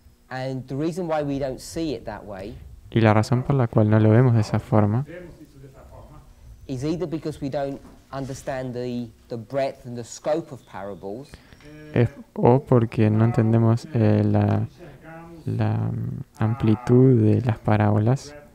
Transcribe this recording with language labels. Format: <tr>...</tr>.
<en>And the reason why we don't see it that way,</en> <es>y la razón por la cual no lo vemos de esa forma,</es> <en>is either because we don't understand the breadth and the scope of parables,</en> <es>o porque no entendemos la amplitud de las parábolas,</es>